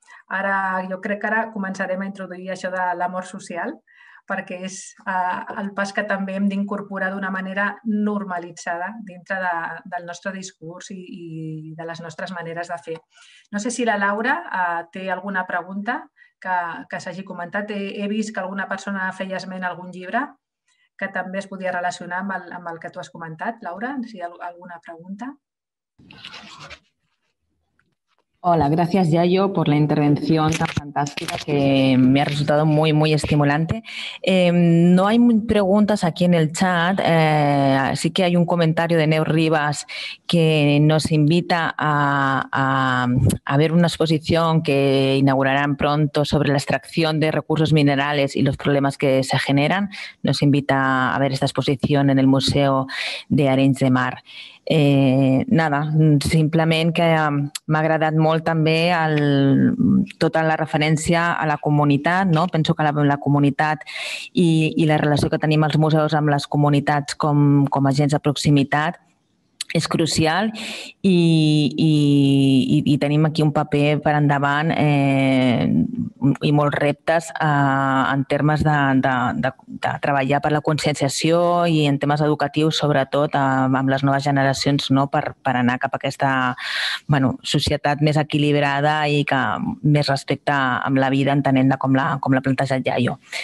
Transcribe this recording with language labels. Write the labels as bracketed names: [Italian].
[Catalan] Ara, jo crec que ara començarem a introduir això de l'amor social, perquè és el pas que també hem d'incorporar d'una manera normalitzada dintre del nostre discurs i de les nostres maneres de fer. No sé si la Laura té alguna pregunta que s'hagi comentat. He vist que alguna persona feia esment a algun llibre que també es podia relacionar amb el que tu has comentat. Laura, si hi ha alguna pregunta. [Spanish] Hola, gracias Yayo por la intervención tan fantástica que me ha resultado muy, muy estimulante. No hay preguntas aquí en el chat, sí que hay un comentario de Neus Rivas que nos invita a ver una exposición que inaugurarán pronto sobre la extracción de recursos minerales y los problemas que se generan. Nos invita a ver esta exposición en el Museo de Arenys de Mar. [Catalan] Nada, simplement que m'ha agradat molt també tota la referència a la comunitat, no? Penso que la comunitat i la relació que tenim els museus amb les comunitats com agents de proximitat és crucial i tenim aquí un paper per endavant i molts reptes en termes de treballar per la conscienciació i en temes educatius, sobretot amb les noves generacions, no, per anar cap a aquesta, bueno, societat més equilibrada i que més respecte amb la vida, entenent-la com l'ha plantejat Yayo.